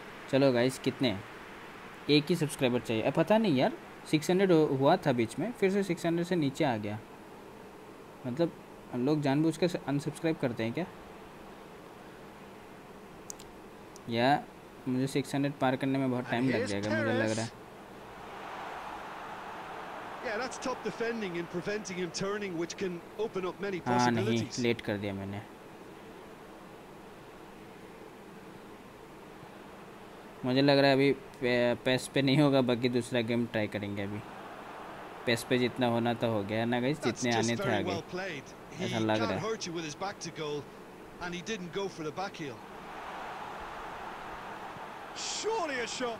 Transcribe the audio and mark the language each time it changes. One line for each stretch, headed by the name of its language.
Hindi: चलो गाइस कितने, एक ही सब्सक्राइबर चाहिए, अब पता नहीं यार 600 हुआ था बीच में, फिर से 600 से नीचे आ गया, मतलब हम लोग जानबूझ के अनसब्सक्राइब करते हैं क्या, या मुझे 600 पार करने में बहुत टाइम लग जाएगा मुझे लग रहा है।
English: Yeah, that's top defending in preventing him turning, which can open up many possibilities.
Hindi: हाँ नहीं, लेट कर दिया मैंने, मुझे लग रहा है अभी पेस पे नहीं होगा, बाकी दूसरा गेम ट्राई करेंगे अभी। पेस पे जितना होना तो हो गया ना गाइस, जितने आने थे आगे, ऐसा लग रहा है।